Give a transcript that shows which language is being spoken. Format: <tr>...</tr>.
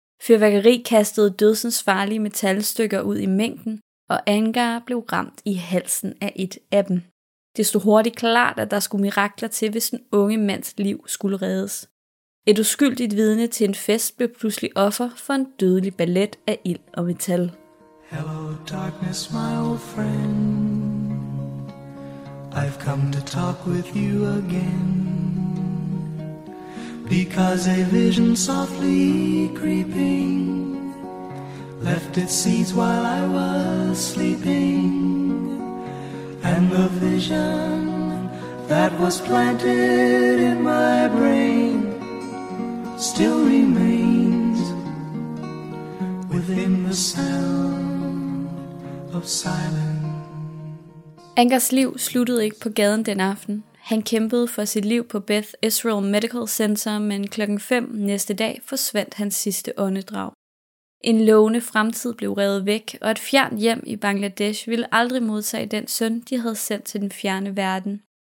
<da>Fyrværkeri kastede dødsens farlige metalstykker ud i mængden, og Anger blev ramt i halsen af et af dem. Det stod hurtigt klart, at der skulle mirakler til, hvis den unge mands liv skulle reddes. Et uskyldigt vidne til en fest blev pludselig offer for en dødelig ballet af ild og metal.</da> <en>Hello darkness, my old friend. I've come to talk with you again. Because a vision softly creeping left its seeds while I was sleeping, and the vision that was planted in my brain still remains within the sound of silence.</en> <da>Angers liv sluttede ikke på gaden den aften. Han kæmpede for sit liv på Beth Israel Medical Center, men klokken 5 næste dag forsvandt hans sidste åndedrag. En lovende fremtid blev revet væk, og et fjernt hjem i Bangladesh ville aldrig modtage den søn, de havde sendt til den fjerne verden.</da>